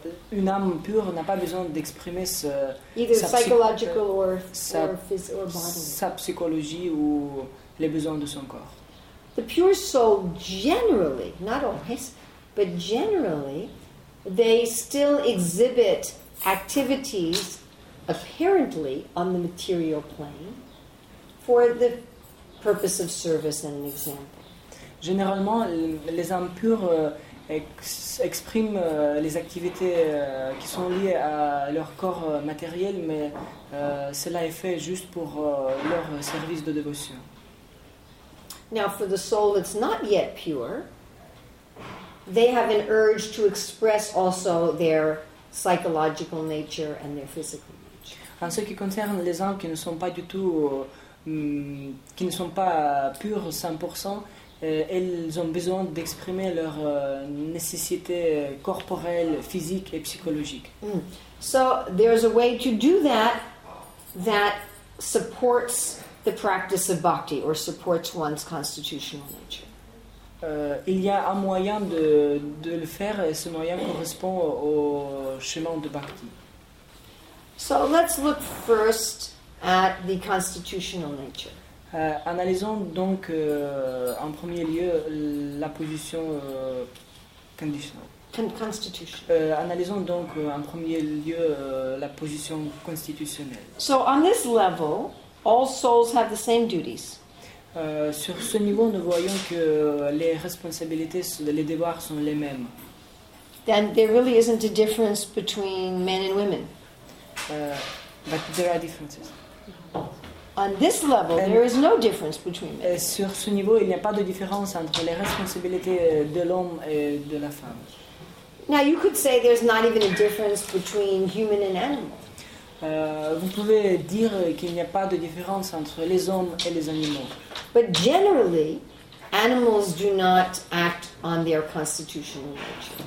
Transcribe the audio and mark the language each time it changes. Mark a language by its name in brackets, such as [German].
[French] Une âme pure n'a pas besoin d'exprimer ce, [English] either psychological or bodily. [French] Sa psychologie ou les besoins de son corps. [English] The pure soul generally, not always, but generally, they still exhibit activities apparently on the material plane for the purpose of service and an example. [French] Généralement, les âmes pures expriment les activités qui sont liées à leur corps matériel, mais cela est fait juste pour leur service de dévotion. [English] Now, for the soul that's not yet pure, they have an urge to express also their psychological nature and their physical nature. [French] En ce qui concerne les âmes qui ne sont pas du tout, qui ne sont pas pures 100%, elles ont besoin d'exprimer leurs nécessités corporelles, physiques et psychologiques. Mm. [English] So there's a way to do that that supports the practice of bhakti or supports one's constitutional nature. [French] Il y a un moyen de le faire, et ce moyen correspond au chemin de bhakti. [English] So let's look first at the constitutional nature. [French] Analysons donc en premier lieu la position conditionnelle. Analysons donc en premier lieu la position constitutionnelle. [English] So on this level, all souls have the same duties. [French] Sur ce niveau, nous voyons que les responsabilités, les devoirs sont les mêmes. [English] Then there really isn't a difference between men and women. But there are differences. On this level, there is no difference between men. [French] Et sur ce niveau, il n'y a pas de différence entre les responsabilités de l'homme et de la femme. [English] Now you could say there's not even a difference between human and animal. [French] Vous pouvez dire qu'il n'y a pas de différence entre les hommes et les animaux. [English] But generally, animals do not act on their constitutional nature.